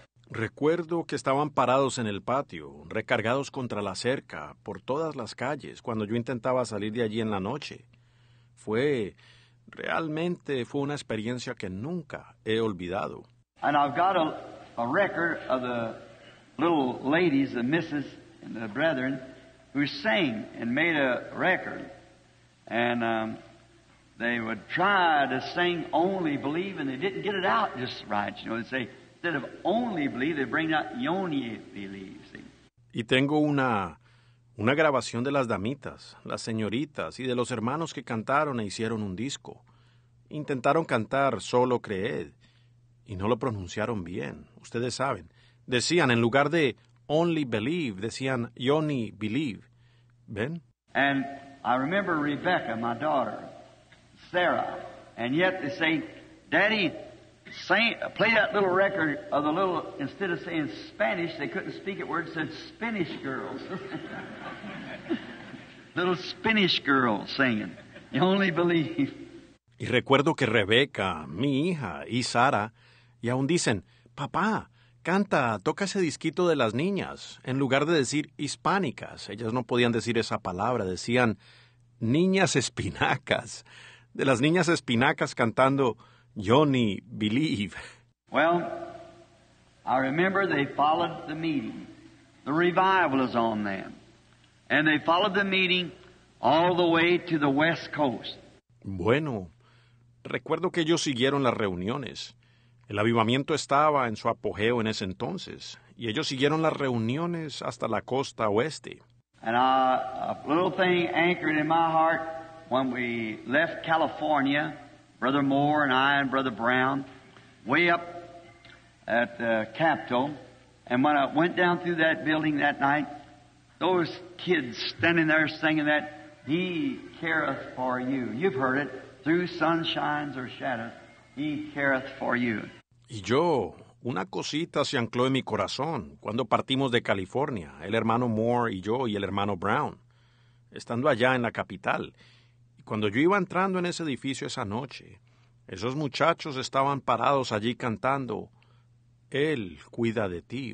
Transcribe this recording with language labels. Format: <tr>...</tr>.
<es>Recuerdo que estaban parados en el patio, recargados contra la cerca, por todas las calles, cuando yo intentaba salir de allí en la noche. Fue, Realmente fue una experiencia que nunca he olvidado.</es> <en>And I've got a record of the little ladies, the misses, and the brethren, who sang and made a record. And they would try to sing only believe, and they didn't get it out just right. You know, they'd say, instead of only believe, they bring out yoni believe. See?</en> <es>Y tengo una grabación de las damitas, las señoritas, y de los hermanos que cantaron e hicieron un disco. Intentaron cantar solo creed, y no lo pronunciaron bien. Ustedes saben. Decían, en lugar de</es> <en>only believe,</en> <es>decían</es> <en>yoni believe.</en> <es>¿Ven?</es> <en>And I remember Rebecca, my daughter, Sarah, and yet they say, Daddy, play that little record of the little, instead of saying Spanish, they couldn't speak it word, said Spanish girls. Little Spanish girls singing. You only believe.</en> <es>Y recuerdo que Rebeca, mi hija, y Sara, y aún dicen, papá, canta, toca ese disquito de las niñas, en lugar de decir hispánicas. Ellas no podían decir esa palabra, decían niñas espinacas. De las niñas espinacas cantando</es> <en>Johnny Believe. Well, I remember they followed the meeting. The revival is on them. And they followed the meeting all the way to the West Coast.</en> <es>Bueno, recuerdo que ellos siguieron las reuniones. El avivamiento estaba en su apogeo en ese entonces, y ellos siguieron las reuniones hasta la costa oeste.</es> <en>And a little thing anchored in my heart when we left California, Brother Moore and I and Brother Brown, way up at the Capitol, and when I went down through that building that night, those kids standing there singing that, He careth for you. You've heard it. Through sunshines or shadows, He careth for you.</en> <es>Y yo, una cosita se ancló en mi corazón cuando partimos de California, el hermano Moore y yo y el hermano Brown, estando allá en la capital. Y cuando yo iba entrando en ese edificio esa noche, esos muchachos estaban parados allí cantando, Él cuida de ti.</es>